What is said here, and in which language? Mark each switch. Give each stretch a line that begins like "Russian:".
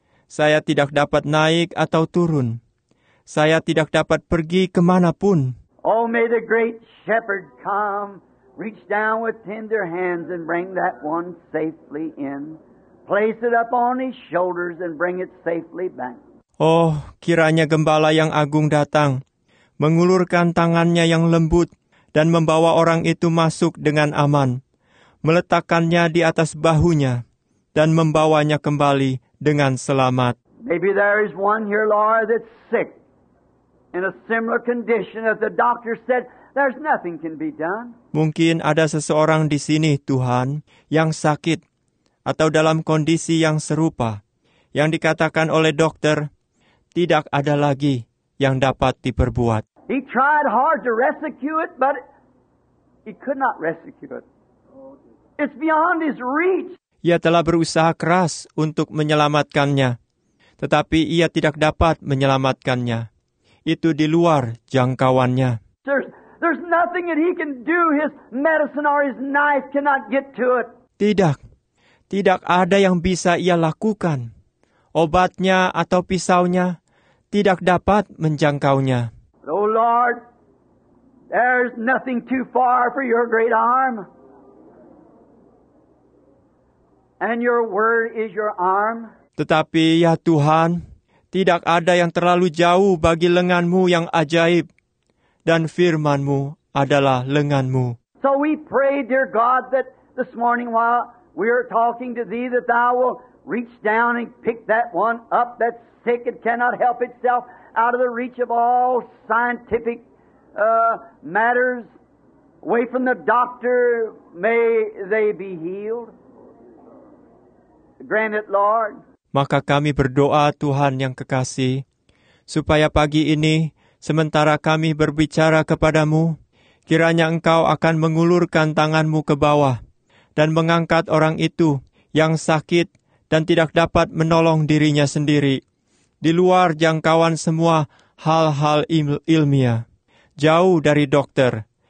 Indonesian: Saya tidak dapat naik atau turun. Saya tidak dapat pergi kemanapun.
English: Oh, may the great shepherd come, reach down with tender hands and bring that one safely in. Place it up on his shoulders and bring it safely back.
Indonesian: Oh, kiranya gembala yang agung datang, mengulurkan tangannya yang lembut dan membawa orang itu masuk dengan aman, meletakkannya di atas bahunya dan membawanya kembali dengan selamat.
English: Maybe there is one here, Lord, that's sick in a similar condition that the doctor said there's nothing can be done.
Indonesian: Mungkin ada seseorang di sini, Tuhan, yang sakit atau dalam kondisi yang serupa, yang dikatakan oleh dokter tidak ada lagi yang dapat diperbuat.
English: He tried hard to rescue it, but he could not rescue it. It's beyond his reach.
Indonesian: Ia telah berusaha keras untuk menyelamatkannya, tetapi ia tidak dapat menyelamatkannya. Itu di luar jangkauannya.
English: There's nothing that he can do. His medicine or his knife cannot get to it.
Indonesian: Tidak ada yang bisa ia lakukan. Obatnya atau pisaunya tidak dapat menjangkaunya.
English: Oh Lord, there's nothing too far for your great arm. And your word is your arm.
Indonesian: Tetapi ya Tuhan, tidak ada yang terlalu jauh bagi lengan-Mu yang ajaib, dan firman-Mu adalah lengan-Mu.
English: So we pray, dear God, that this morning while we are talking to Thee, that Thou will reach down and pick that one up that's sick and cannot help itself, out of the reach of all scientific matters, away from the doctor, may they be healed. Grant it, Lord.
Indonesian: Maka kami berdoa, Tuhan yang kekasih, supaya pagi ini, sementara kami berbicara kepadamu, kiranya Engkau akan mengulurkan tangan-Mu ke bawah dan mengangkat orang itu yang sakit dan tidak dapat menolong dirinya sendiri, di luar jangkauan semua hal-hal ilmiah, jauh dari dokter.